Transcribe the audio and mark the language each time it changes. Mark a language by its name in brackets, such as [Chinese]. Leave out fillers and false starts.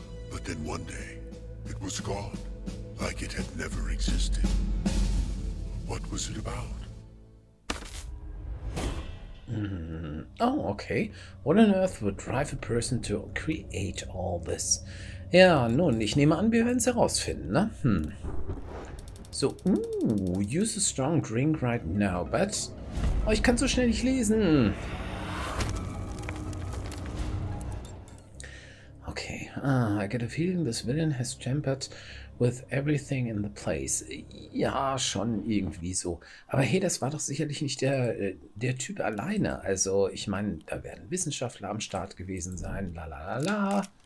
[English] But then one day, it was gone, like it had never existed. What was it about? Oh, okay. What on earth would drive a person to create all this? [German] Ja, nun, ich nehme an, wir werden es herausfinden, ne? [English] So, use a strong drink right now, but... [German] Oh, ich kann so schnell nicht lesen. [English] Okay, I get a feeling this villain has tampered with everything in the place. [German] Ja, schon irgendwie so. Aber hey, das war doch sicherlich nicht der Typ alleine. Also, ich meine, da werden Wissenschaftler am Start gewesen sein, lalalala.